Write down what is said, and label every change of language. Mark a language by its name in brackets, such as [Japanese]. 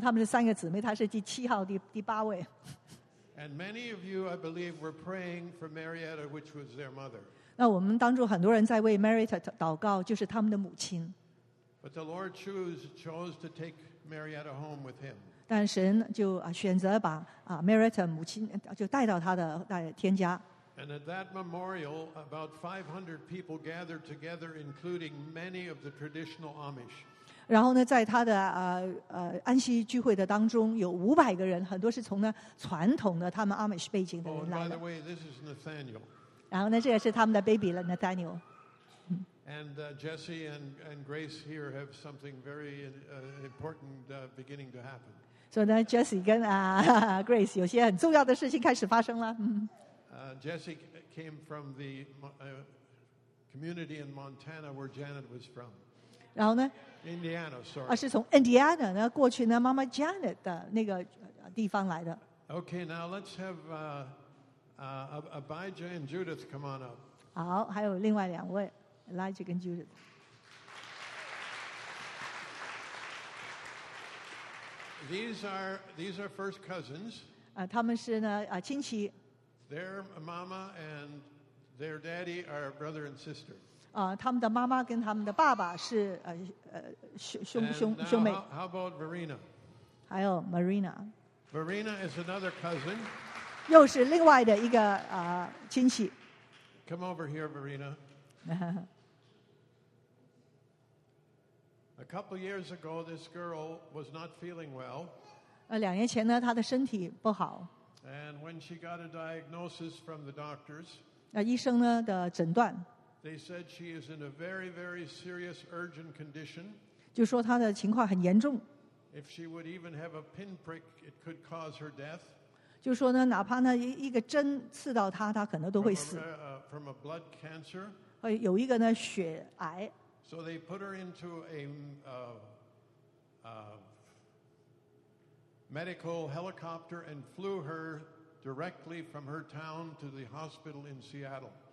[Chinese] 他们是三个姊妹，她是第七号，第八位。 [English] And many of you, I believe, were praying for Marietta, which was their mother. [Chinese] 那我们当中很多人在为 Marietta 祷告，就是他们的母亲。 [English] But the Lord chose to take Marietta home with him. [Chinese] 但神就选择把Marietta 母亲就带到他的天家。 [English] And at that memorial, about 500 people gathered together, including many of the traditional Amish. [Chinese] 然后呢，在他的安息聚会的当中，有五百个人，很多是从呢传统的他们 Amish 背景的人来的。 [English] Oh, by the way, this is Nathaniel. [Chinese] 然后呢，这个是他们的 baby 了 ，Nathaniel. [English] And Jesse and Grace here have something very important beginning to happen. So then [Chinese] Jesse 跟Grace 有些很重要的事情开始发生了。 [English] Jesse came from the community in Montana where Janet was from. [Chinese] 然后呢 [English] ？Indiana, sorry. [Chinese] 是从 Indiana 呢过去呢，妈妈 Janet 的那个地方来的。 [English] Okay, now let's have Abijah and Judith come on up. [Chinese] 好，还有另外两位 ，Elijah 跟 Judith。 [English] These are first cousins. [Chinese] 他们是呢亲戚。 [English] Their mama and their daddy are brother and sister. [Chinese] 他们的妈妈跟他们的爸爸是兄妹。 [English] How about Verena? [Chinese] 还有 Marina. [English] Verena is another cousin. [Chinese] 又是另外的一个亲戚。 [English] Come over here, Verena. A couple years ago, this girl was not feeling well. [Chinese] 两年前呢，她的身体不好。 [English] And when she got a diagnosis from the doctors, [Chinese] 医生呢的诊断 [English] ，they said she is in a very, very serious, urgent condition. [Chinese] 就说她的情况很严重。 [English] If she would even have a pinprick, it could cause her death. [Chinese] 就说呢，哪怕呢一个针刺到她，她可能都会死。 [English] From a blood cancer, [Chinese] 有一个呢血癌。 [English] So they put her into a medical helicopter and flew her directly from her town to the hospital in Seattle.